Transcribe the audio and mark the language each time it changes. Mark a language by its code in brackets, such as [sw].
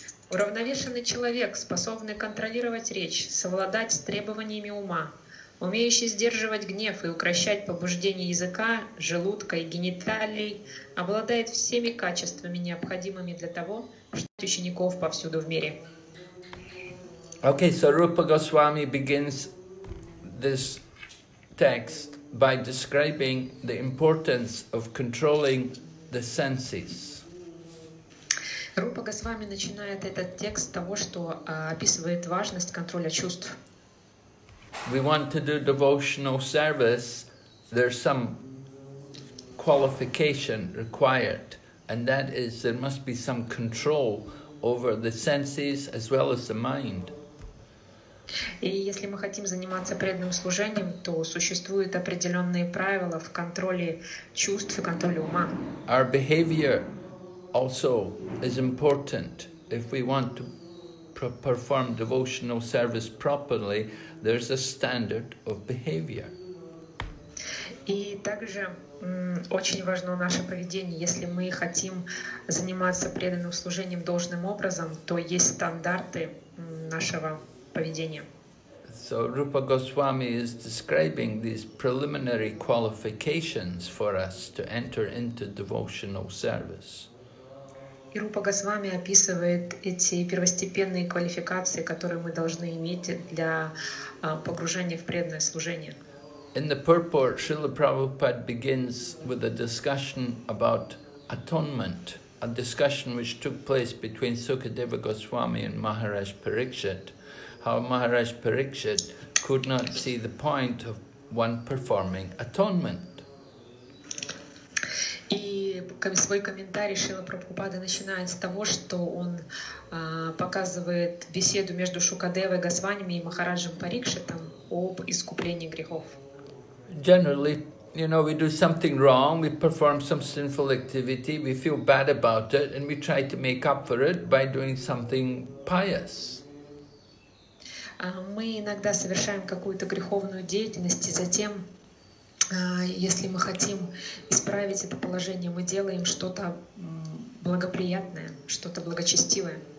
[ru] Уравновешенный человек, способный контролировать речь, совладать с требованиями ума, умеющий сдерживать гнев и укрощать побуждение языка, желудка и гениталий, обладает всеми качествами, необходимыми для того, чтобы быть учеником повсюду в мире. [en] Okay, so Rupa Goswami begins this text by describing the importance of controlling the senses. [ru] Рупа Госвами начинает этот текст с того, что описывает важность контроля чувств. [en] We want to do devotional service, there's some qualification required, and that is there must be some control over the senses as well as the mind. [ru] И если мы хотим заниматься преданным служением, то существуют определенные правила в контроле чувств и контроле ума. [en] Our behavior also is important if we want to perform devotional service properly. There's a standard of behavior. [ru] И также очень важно наше поведение. Если мы хотим заниматься преданным служением должным образом, то есть стандарты нашего поведения. [en] So So Rupa Goswami is describing these preliminary qualifications for us to enter into devotional service. [ru] И Рупа Госвами описывает эти первостепенные квалификации, которые мы должны иметь для погружения в преданное служение. [en] In the purport, Srila Prabhupada begins with a discussion about atonement, a discussion which took place between Sukadeva Goswami and Maharaj Parikshit, how Maharaj Parikshit could not see the point of one performing atonement. [ru] И свой комментарий Шрила Прабхупада начинает с того, что он показывает беседу между Шукадевой Госвами и Махараджем Парикшитом об искуплении грехов. [en] Generally, you know, we do something wrong, we perform some sinful activity, we feel bad about it, and we try to make up for it by doing something pious. [ru] Мы иногда совершаем какую-то греховную деятельность, и затем если мы хотим исправить это положение, мы делаем что-то благоприятное, что-то благочестивое.